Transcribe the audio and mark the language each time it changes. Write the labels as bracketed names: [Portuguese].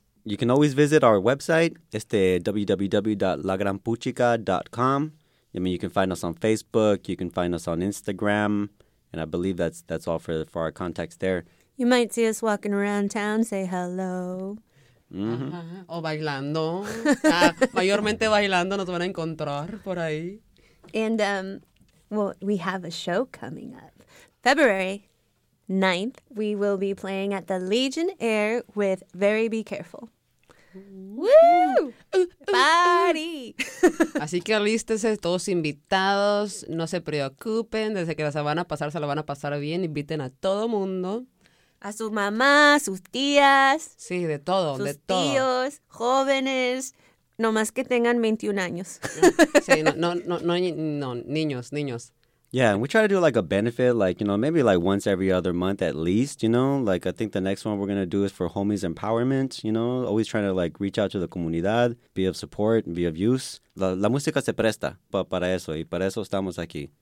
[English] You can always visit our website, www.lagranpuchica.com. I mean, you can find us on Facebook, you can find us on Instagram, and I believe that's all for our contacts there. You might see us walking around town, say hello. [Spanish] Mm-hmm. O bailando. Mayormente bailando nos van a encontrar por ahí. [English] And, we have a show coming up. February 9th, we will be playing at the Legion Air with Very Be Careful. Woo! Party! [Spanish] Así que alístense todos invitados. No se preocupen. Desde que se van a pasar, se lo van a pasar bien. Inviten a todo mundo. A su mamá, sus tías. Sí, de todo, de todo. Sus tíos, jóvenes, nomás que tengan 21 años. niños. [English] Yeah, and we try to do like a benefit, like, you know, maybe like once every other month at least, you know. Like, I think the next one we're going to do is for homies empowerment, you know. Always trying to like reach out to the comunidad, be of support, be of use. [Spanish] La música se presta para eso, y para eso estamos aquí.